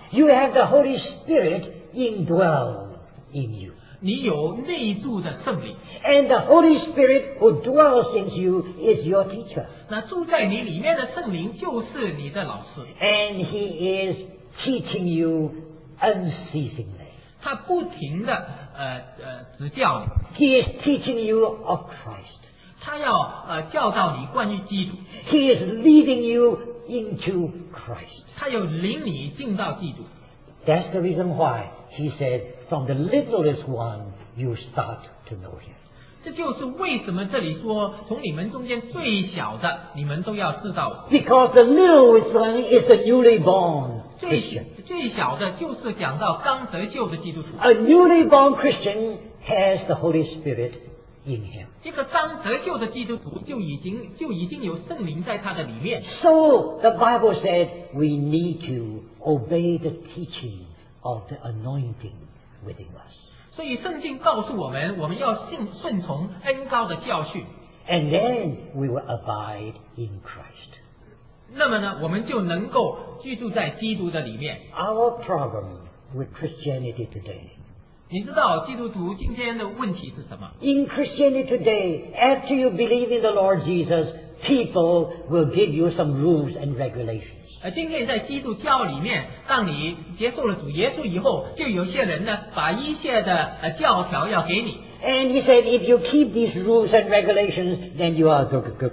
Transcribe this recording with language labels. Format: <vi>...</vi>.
<en>You have the Holy Spirit indwelled in you.</en> <zh>你有内住的圣灵</zh> <en>and the Holy Spirit who dwells in you is your teacher</en> <zh>那住在你里面的圣灵就是你的老师</zh> <en>and he is teaching you unceasingly.</en> <zh>他不停地指教你。</zh> <en>He is teaching you of Christ.</en> <zh>他要教导你关于基督。</zh> <en>He is leading you into Christ.</en> <zh>他要领你进到基督。</zh> <en>That's the reason why he said, from the littlest one, you start to know him.</en> <zh>这就是为什么这里说，从你们中间最小的，你们都要知道。</zh> <en>Because the littlest one is the newly born Christian.</en> <zh>最小的就是讲到刚得救的基督徒。</zh> <en>A newly born Christian has the Holy Spirit in him.</en> <zh>这个刚得救的基督徒就已经有圣灵在他的里面。</zh> <en>So the Bible said we need to obey the teaching of the anointing within us.</en> <zh>所以圣经告诉我们，我们要顺从恩膏的教训。</zh> <en>And then we will abide in Christ.</en> <zh>那么呢，我们就能够居住在基督的里面。</zh> <en>Our problem with Christianity today.</en> <zh>你知道基督徒今天的问题是什么？</zh> <en>In Christianity today, after you believe in the Lord Jesus, people will give you some rules and regulations.</en> <zh>今天在基督教里面，当你接受了主耶稣以后，就有些人呢，把一些的教条要给你。</zh> <en>And he said, if you keep these rules and regulations, then you are good.</en>